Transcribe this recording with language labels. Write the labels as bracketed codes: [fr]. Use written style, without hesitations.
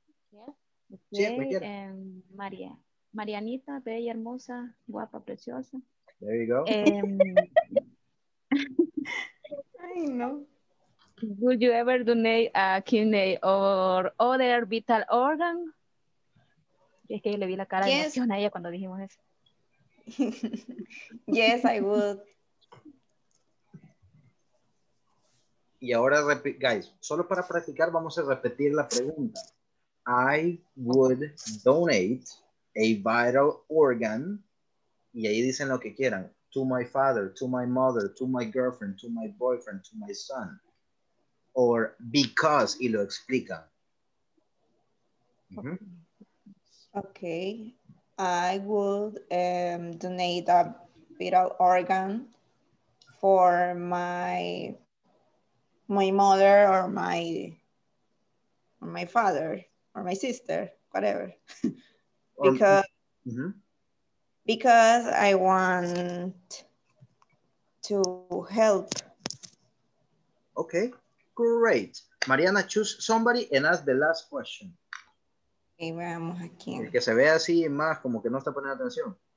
[es] Yeah. Okay. Sí, María. Marianita, bella, hermosa, guapa, preciosa. [en] There you go. I know. Would you ever donate a kidney or other vital organ? [es] Es que yo le vi la cara yes. de emoción a ella cuando dijimos eso. [en] Yes, I would. [es] Y ahora, guys, solo para practicar, vamos a repetir la pregunta. [en] I would donate a vital organ, [es] y ahí dicen lo que quieran, [en] to my father, to my mother, to my girlfriend, to my boyfriend, to my son, or because, [es] y lo explica. [en] Okay, I would donate a vital organ for my mother or my father or my sister, whatever. because I want to help. Okay, great. Mariana, choose somebody and ask the last question. [es] Okay, veamos aquí. El que se ve así más, como que no está poniendo atención.